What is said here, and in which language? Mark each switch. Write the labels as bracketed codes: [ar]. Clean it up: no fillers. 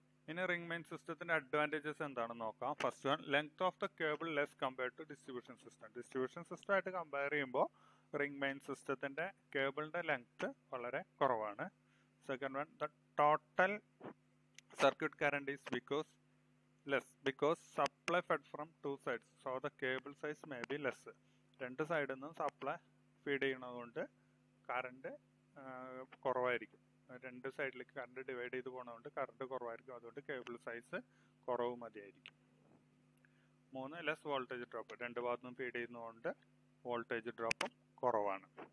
[ml] ഇനി ring main സിസ്റ്റത്തിൻ്റെ advantages എന്താണെന്ന് നോക്കാം. [en] First one, length of the cable less compared to distribution system. [ml] Distribution സിസ്റ്റമായിട്ട് compare ചെയ്യുമ്പോൾ ring main സിസ്റ്റത്തിൻ്റെ കേബിളിൻ്റെ ലെങ്ത് വളരെ കുറവാണ്. [en] Second one, the total circuit current is because less because supply fed from two sides, so the cable size may be less. [ml] രണ്ട് സൈഡിൽ നിന്നും supply feed ചെയ്യുന്നത് കൊണ്ട് current കുറവായിരിക്കും. രണ്ട് സൈഡിലേക്ക് കറണ്ട് ഡിവൈഡ് ചെയ്ത് പോകുന്നതുകൊണ്ട് കറണ്ട് കുറവായിരിക്കും, അതുകൊണ്ട് കേബിൾ സൈസ് കുറവ് മതിയായിരിക്കും. മൂന്ന്, [en] less voltage drop, [ml] രണ്ട് ഭാഗത്തും ഫീഡ് ചെയ്യുന്നതുകൊണ്ട് വോൾട്ടേജ് ഡ്രോപ്പും കുറവാണ്.